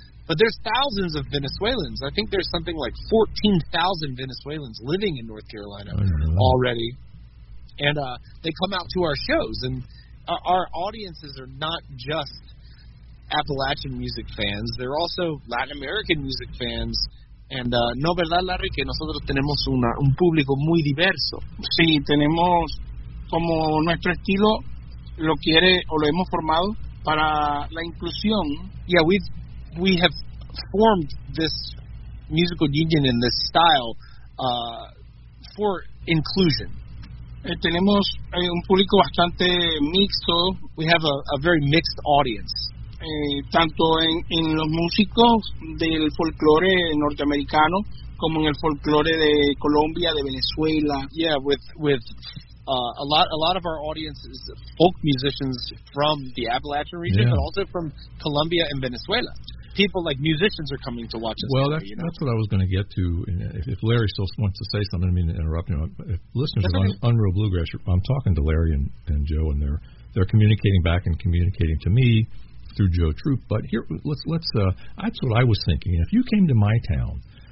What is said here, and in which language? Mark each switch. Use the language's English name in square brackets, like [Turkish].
[English] But there's thousands of Venezuelans. I think there's something like 14,000 Venezuelans living in North Carolina already. And they come out to our shows. And our audiences are not just Appalachian music fans. They're also Latin American music fans. [Spanish] And no verdad, Larry, que nosotros tenemos un público muy diverso. Sí, tenemos como nuestro estilo lo quiere o lo hemos formado para la inclusión. [English] Yeah, we have formed this musical union in this style for inclusion. [Spanish] Tenemos un público bastante mixto. [English] We have a very mixed audience. [Spanish] Tanto en los músicos del folclore norteamericano como en el folclore de Colombia, de Venezuela. [English] Yeah, with a lot of our audience is folk musicians from the Appalachian region, yeah, but also from Colombia and Venezuela. People like musicians are coming to watch us. Well, that's what I was going to get to. If Larry still wants to say something, I mean to interrupt you. If listeners of Unreal Bluegrass, I'm talking to Larry and Joe, and they're communicating back and communicating to me through Joe Troop. But here, let's that's what I was thinking. If you came to my town